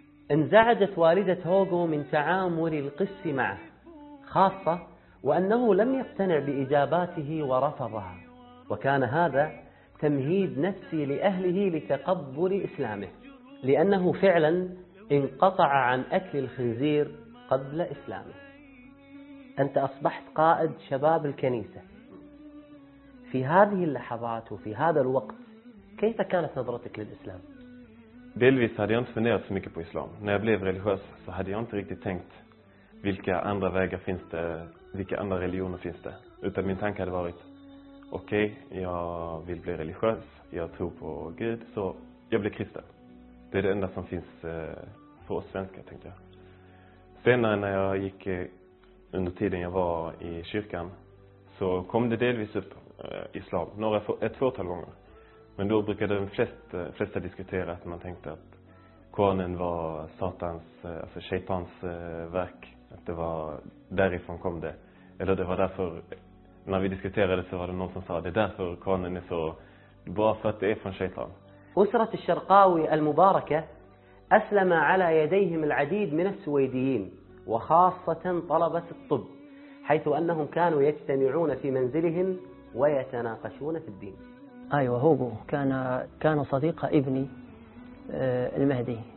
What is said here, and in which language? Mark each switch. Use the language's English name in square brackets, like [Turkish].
[Arabic] انزعجت والدة هوغو من تعامل القس معه، خاصة وأنه لم يقتنع بإجاباته ورفضها، وكان هذا تمهيد نفسي لأهله لتقبل إسلامه، لأنه فعلا انقطع عن أكل الخنزير قبل إسلامه. أنت أصبحت قائد شباب الكنيسة، في هذه اللحظات وفي هذا الوقت كيف كانت نظرتك للإسلام؟ [Swedish] Delvis hade jag inte funderat så mycket på islam. När jag blev religiös så hade jag inte riktigt tänkt vilka andra vägar finns det, vilka andra religioner finns det. Utan min tanke hade varit, okej, jag vill bli religiös, jag tror på Gud, så jag blir kristen. Det är det enda som finns för oss svenskar, tänkte jag. Senare när jag gick under tiden jag var i kyrkan så kom det delvis upp islam, ett fåtal gånger. Men då brukade de flesta diskutera att man tänkte att Koranen var satans, alltså shaitans verk. Att det var därifrån kom det. Eller det var därför, när vi diskuterade så var det någon som sa att det är därför Koranen är så bra, för att det är från shaitan. [Arabic] Usrat al-Sharqawi al-Mubaraka aslama ala yadayhim al-adid min al-Suwaydiyin وخاصة طلبة الطب، حيث أنهم كانوا يجتمعون في منزلهم ويتناقشون في الدين. أيوة، هوغو كان صديق ابني المهدي.